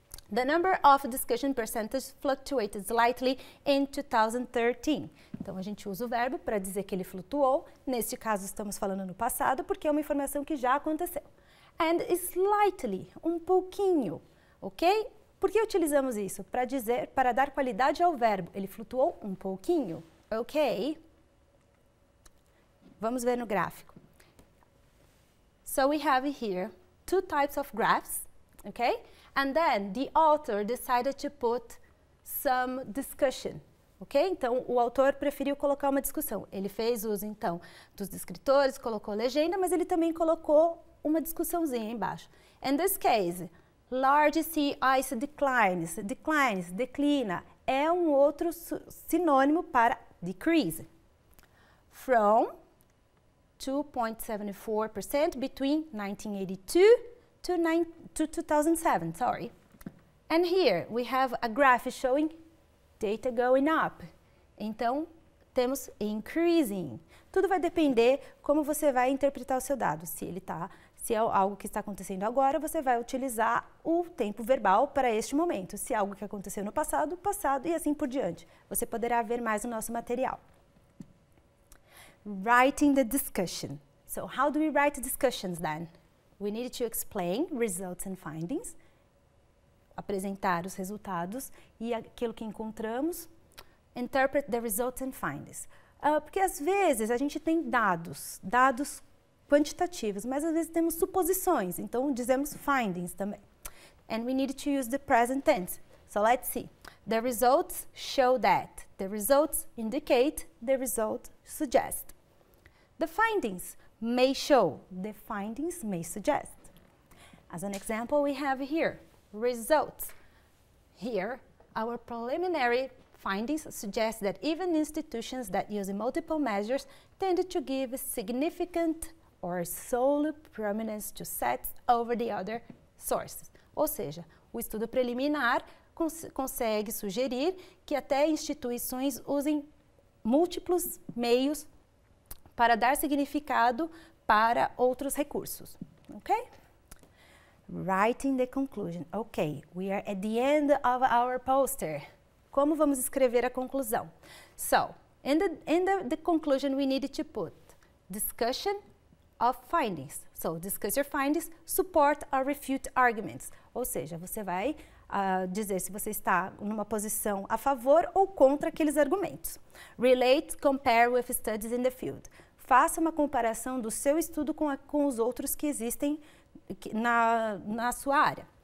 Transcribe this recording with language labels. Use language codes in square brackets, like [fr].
[en] The number of discussion percentage fluctuated slightly in 2013. [pt] Então, a gente usa o verbo para dizer que ele flutuou. Neste caso, estamos falando no passado, porque é uma informação que já aconteceu. [en] And slightly, [pt] um pouquinho, [en] ok? [pt] Por que utilizamos isso? Para dizer, para dar qualidade ao verbo. Ele flutuou um pouquinho. Ok, vamos ver no gráfico. [en] So we have here two types of graphs, ok? And then the author decided to put some discussion, ok? [pt] Então, o autor preferiu colocar uma discussão. Ele fez uso, então, dos descritores, colocou legenda, mas ele também colocou uma discussãozinha embaixo. [en] In this case, large sea ice declines. [pt] Declines, declina, é um outro sinônimo para [en] decrease from 2.74% between 1982 to 2007. And here we have a graph showing data going up. [pt] Então, temos increasing. Tudo vai depender como você vai interpretar o seu dado. Se é algo que está acontecendo agora, você vai utilizar o tempo verbal para este momento. Se é algo que aconteceu no passado, passado e assim por diante. Você poderá ver mais no nosso material. [en] Writing the discussion. So, how do we write discussions then? We need to explain results and findings. [pt] Apresentar os resultados e aquilo que encontramos. [en] Interpret the results and findings. [pt] Porque às vezes a gente tem dados quantitativos, mas às vezes temos suposições, então dizemos findings também. [en] And we need to use the present tense. So let's see. The results show that. The results indicate. The results suggest. The findings may show. The findings may suggest. As an example, we have here. Results. Here, our preliminary findings suggest that even institutions that use multiple measures tend to give significant or sole prominence to sets over the other sources. [pt] Ou seja, o estudo preliminar consegue sugerir que até instituições usem múltiplos meios para dar significado para outros recursos. [en] Ok? Writing the conclusion. Ok, we are at the end of our poster. [pt] Como vamos escrever a conclusão? [en] So, in the conclusion we needed to put discussion of findings. So, discuss your findings, support or refute arguments. [pt] Ou seja, você vai dizer se você está numa posição a favor ou contra aqueles argumentos. [en] Relate, compare with studies in the field. [pt] Faça uma comparação do seu estudo com os outros que existem na sua área.